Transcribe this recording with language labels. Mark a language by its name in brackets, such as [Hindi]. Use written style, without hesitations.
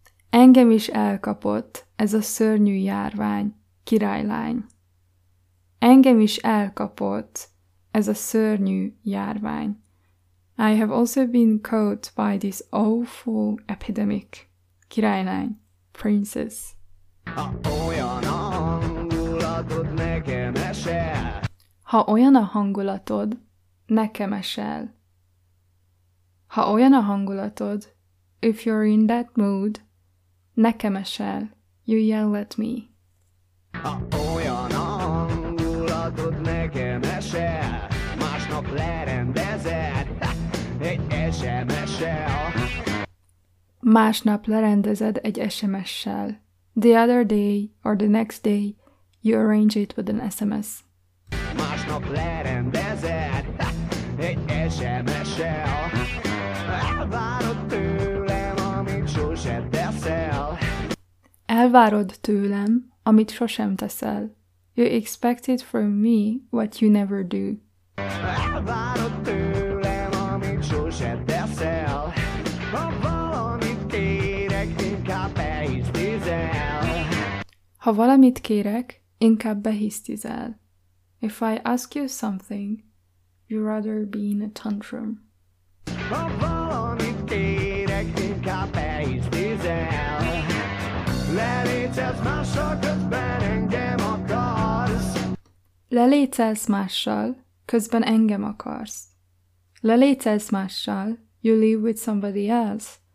[Hungarian] Engem is elkapott ez a szörnyű járvány, királylány. Engem is elkapott ez a szörnyű járvány. [English] I have also been caught by this awful epidemic, királylány, princess. [Hungarian] Ha olyan a hangulatod, nekem esel. Ha olyan a hangulatod, [English] if you're in that mood, [Hungarian] nekem esel, [English] you yell at me. [Hungarian] Ha olyan a hangulatod, nekem esel, másnap lerendezed, egy SMS-sel. Másnap lerendezed egy SMS-sel. [English] The other day, or the next day, you arrange it with an SMS. [Hungarian] Másnap lerendezed, egy SMS-sel. Elvárod tőlem, amit sose teszel. Elvárod tőlem, amit sosem teszel. [English] You expect it from me, what you never do. [Hungarian] Elvárod tőlem, amit sosem teszel. Ha valamit kérek, inkább behisztizel. Ha valamit kérek, inkább behisztizel. [English] If I ask you something, you rather be in a tantrum. [Hungarian] Ha valamit kérek, inkább behisztizel. Lelétszelsz mással, közben engem akarsz. Lelétszelsz mással, közben engem akarsz. Lelétszelsz mással, [English] you live with somebody else,